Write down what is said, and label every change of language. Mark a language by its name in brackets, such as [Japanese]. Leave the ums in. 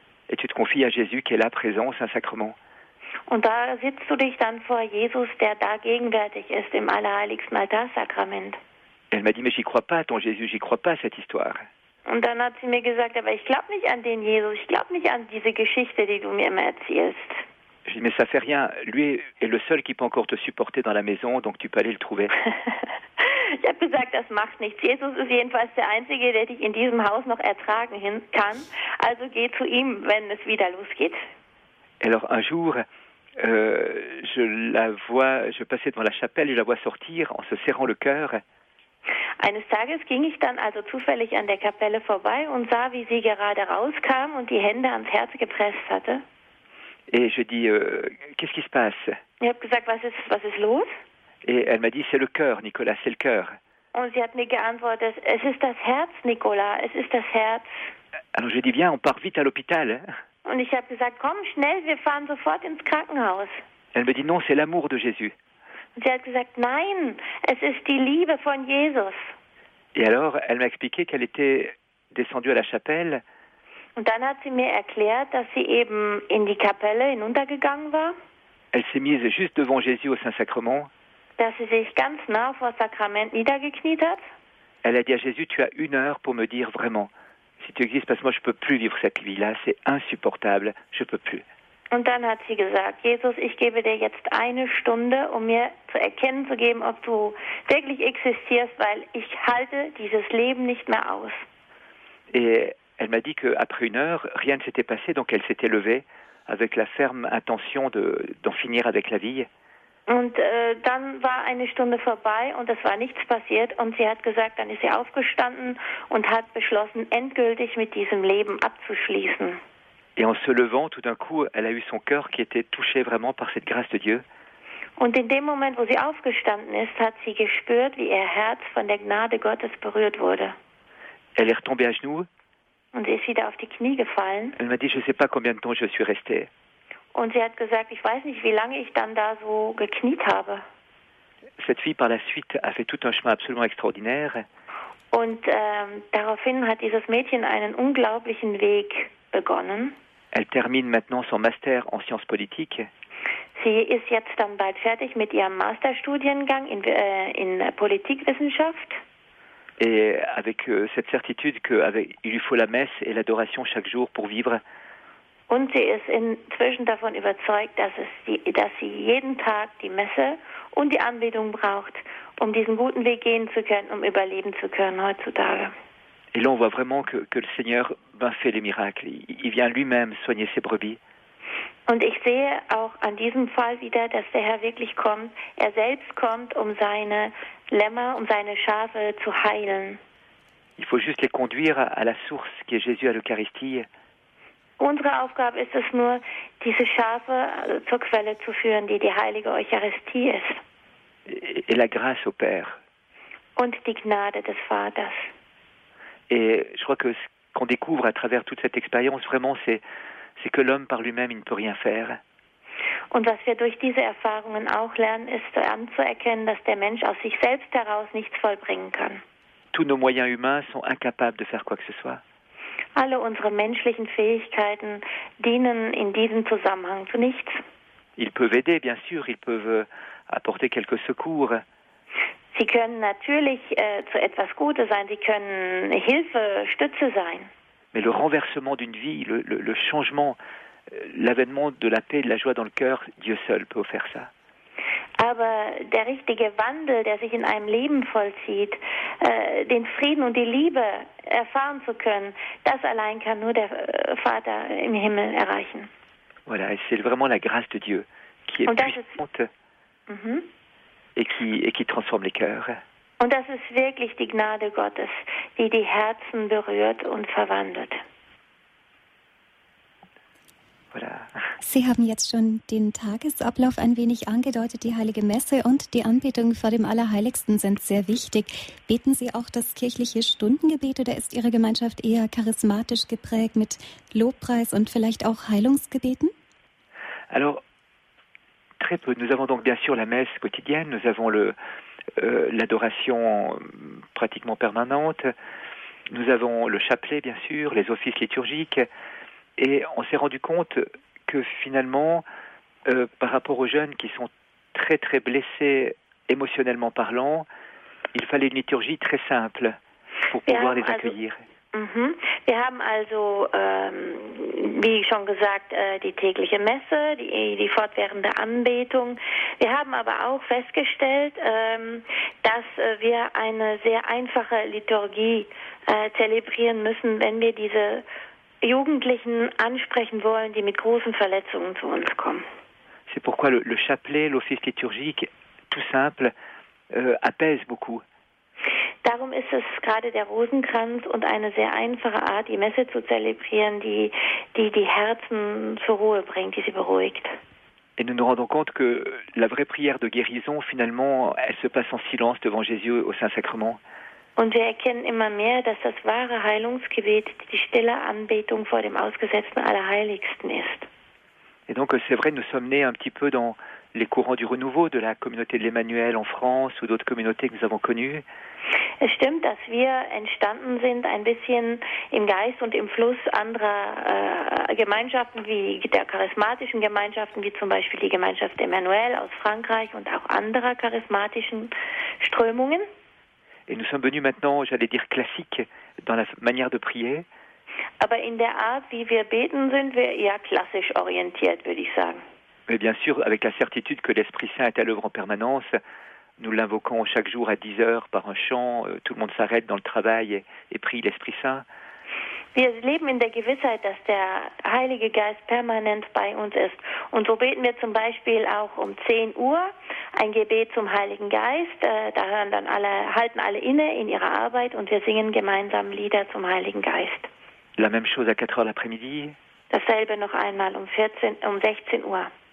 [French] et tu te confies à Jésus qui est là présent au Saint-Sacrement. [German] Und da sitzt du dich dann vor Jesus, der da gegenwärtig ist im allerheiligsten Altarsakrament. [French] Et elle m'a dit, mais j'y crois pas, ton Jésus, j'y crois pas à cette histoire. [German] Und dann hat sie mir gesagt, aber ich glaube nicht an den Jesus, ich glaube nicht an diese Geschichte, die du mir immer erzählst. [French] J'ai dit, mais ça fait rien, lui est le seul qui peut encore te supporter dans la maison, donc tu peux aller le trouver. [German] ich habe gesagt, das macht nichts. Jesus ist jedenfalls der Einzige, der dich in diesem Haus noch ertragen hin kann. Also geh zu ihm, wenn es wieder losgeht. [French] Et alors un jour, euh, je la vois, je passais devant la chapelle, je la vois sortir en se serrant le cœur, [German] Eines Tages ging ich dann also zufällig an der Kapelle vorbei und sah, wie sie gerade rauskam und die Hände ans Herz gepresst hatte. [French] et je dis, euh, qu'est-ce qui se passe [German] Ich habe gesagt, was ist, was ist los? [French] Et elle m'a dit, c'est le cœur, Nicolas, c'est le cœur. [German] Und sie hat mir geantwortet, es ist das Herz, Nicola, es ist das Herz. [French] Alors je dis, viens, on part vite à l'hôpital. [German] Und ich habe gesagt, komm schnell, wir fahren sofort ins Krankenhaus. [French] Elle me dit, non, c'est l'amour de Jésus. [German] Und sie hat gesagt, nein, es ist die Liebe von Jesus. [French] Et alors, elle m'a expliqué qu'elle était descendue à la chapelle [German] Und dann hat sie mir erklärt, dass sie eben in die Kapelle hinuntergegangen war, [French] Elle s'est mise juste devant Jésus au Saint-Sacrement. [German] dass sie sich ganz nah vor das Sakrament niedergekniet hat [French] Elle a dit à Jésus, tu as une heure pour me dire vraiment, si tu existes, parce que moi je peux plus vivre cette vie-là, c'est insupportable, je peux plus. [German] Und dann hat sie gesagt, Jesus, ich gebe dir jetzt eine Stunde, um mir zu erkennen zu geben, ob du wirklich existierst, weil ich halte dieses Leben nicht mehr aus. [French] Et elle m'a dit qu'après une heure, rien ne s'était passé, donc elle s'était levée avec la ferme intention de- d'en finir avec la vie. [German] Und äh, dann war eine Stunde vorbei und es war nichts passiert und sie hat gesagt, dann ist sie aufgestanden und hat beschlossen, endgültig mit diesem Leben abzuschließen. [French] Et en se levant, tout d'un coup, elle a eu son cœur qui était touché vraiment par cette grâce de Dieu. [German] Und in dem Moment, wo sie aufgestanden ist, hat sie gespürt, wie ihr Herz von der Gnade Gottes berührt wurde. [French] Elle est retombée à genoux, [German] Und sie ist wieder auf die Knie gefallen [French] elle m'a dit, je ne sais pas combien de temps je suis restée. [German] Und sie hat gesagt, ich weiß nicht, wie lange ich dann da so gekniet habe. [French] Cette fille, par la suite, a fait tout un chemin absolument extraordinaire. [German] Und ähm, daraufhin hat dieses Mädchen einen unglaublichen Weg begonnen. [French] Elle termine maintenant son master en sciences politiques [German] Sie ist jetzt dann bald fertig mit ihrem Masterstudiengang in, äh, in Politikwissenschaft. [French] et avec euh, cette certitude qu'il lui faut la messe et l'adoration chaque jour pour vivre. [German] Und sie ist inzwischen davon überzeugt, dass, es die, dass sie jeden Tag die Messe und die Anbetung braucht, um diesen guten Weg gehen zu können, um überleben zu können heutzutage. [French] Et là, on voit vraiment que, que le Seigneur ben, fait les miracles. Il, il vient lui-même soigner ses brebis. [German] Und ich sehe auch an diesem Fall wieder, dass der Herr wirklich kommt. Er selbst kommt, um seine Lämmer, um seine Schafe zu heilen. [French] Il faut juste les conduire à, à la source qui est Jésus à l'Eucharistie. [German] Unsere Aufgabe ist es nur, diese Schafe zur Quelle zu führen, die die heilige Eucharistie ist [French] Et, et la grâce au Père. [German] und die Gnade des Vaters. [French] Et je crois que ce qu'on découvre à travers toute cette expérience, vraiment, c'est c'est que l'homme par lui-même, il ne peut rien faire. [German] Und was wir durch diese Erfahrungen auch lernen, ist anzuerkennen, dass der Mensch aus sich selbst heraus nichts vollbringen kann. [French] Tous nos moyens humains sont incapables de faire quoi que ce soit. [German] Alle unsere menschlichen Fähigkeiten dienen in diesem Zusammenhang zu nichts. [French] Ils peuvent aider, bien sûr, ils peuvent euh, apporter quelques secours, [German] Sie können natürlich äh, zu etwas Gutes sein, sie können Hilfe, Stütze sein. [French] Mais le renversement d'une vie, le, le, le changement, euh, l'avènement de la paix et de la joie dans le cœur, Dieu seul peut faire ça. [German] Aber der richtige Wandel, der sich in einem Leben vollzieht, äh, den Frieden und die Liebe erfahren zu können, das allein kann nur der äh, Vater im Himmel erreichen. [French] Voilà, et c'est vraiment la grâce de Dieu qui est [German] Und das ist- [French] puissante Mhm. et qui, et qui transforme les cœurs. [German] Und das ist wirklich die Gnade Gottes, die die Herzen berührt und verwandelt. [French] Voilà. [German] Sie haben jetzt schon den Tagesablauf ein wenig angedeutet. Die Heilige Messe und die Anbetung vor dem Allerheiligsten sind sehr wichtig. Beten Sie auch das kirchliche Stundengebet oder ist Ihre Gemeinschaft eher charismatisch geprägt mit Lobpreis und vielleicht auch Heilungsgebeten? [French] Alors, très peu. Nous avons donc bien sûr la messe quotidienne, nous avons le, euh, l'adoration euh, pratiquement permanente, nous avons le chapelet bien sûr, les offices liturgiques, et on s'est rendu compte que finalement, euh, par rapport aux jeunes qui sont très très blessés émotionnellement parlant, il fallait une liturgie très simple pour Bien, pouvoir les alors- accueillir. Mhm. [German] Wir haben also, ähm, wie schon gesagt, äh, die tägliche Messe, die, die fortwährende Anbetung. Wir haben aber auch festgestellt, ähm, dass äh, wir eine sehr einfache Liturgie äh, zelebrieren müssen, wenn wir diese Jugendlichen ansprechen wollen, die mit großen Verletzungen zu uns kommen. [French] C'est pourquoi le, le chapelet, l'office liturgique, tout simple, euh, apaise beaucoup. [German] Darum ist es gerade der Rosenkranz und eine sehr einfache Art, die Messe zu zelebrieren, die die, die Herzen zur Ruhe bringt, die sie beruhigt. [French] Et nous nous rendons compte que la vraie prière de guérison, finalement, elle se passe en silence devant Jésus au Saint-Sacrement. [German] Und wir erkennen immer mehr, dass das wahre Heilungsgebet die stille Anbetung vor dem ausgesetzten Allerheiligsten ist. [French] Et donc, euh, c'est vrai, nous sommes nés un petit peu dans les courants du renouveau de la communauté de l'Emmanuel en France ou d'autres communautés que nous avons connues. [German] Es stimmt, dass wir entstanden sind ein bisschen im Geist und im Fluss anderer äh, Gemeinschaften wie der charismatischen Gemeinschaften, wie zum Beispiel die Gemeinschaft Emmanuel aus Frankreich und auch anderer charismatischen Strömungen. [French] Et nous sommes venus maintenant, j'allais dire classiques, dans la f- manière de prier. [German] Aber in der Art, wie wir beten, sind wir eher klassisch orientiert, würde ich sagen. [French] Mais bien sûr, avec la certitude que l'Esprit Saint est à l'œuvre en permanence, nous l'invoquons chaque jour à 10 heures par un chant, euh, tout le monde s'arrête dans le travail et, et prie l'Esprit Saint. [German] Wir leben in der Gewissheit, dass der Heilige Geist permanent bei uns ist. Und so beten wir zum Beispiel auch um 10 Uhr ein Gebet zum Heiligen Geist. Äh, Da hören dann alle, halten alle inne in ihrer Arbeit und wir singen gemeinsam Lieder zum Heiligen Geist. [French] La même chose à 4 heures l'après-midi. [German] Dasselbe noch einmal um 14, um 16 Uhr.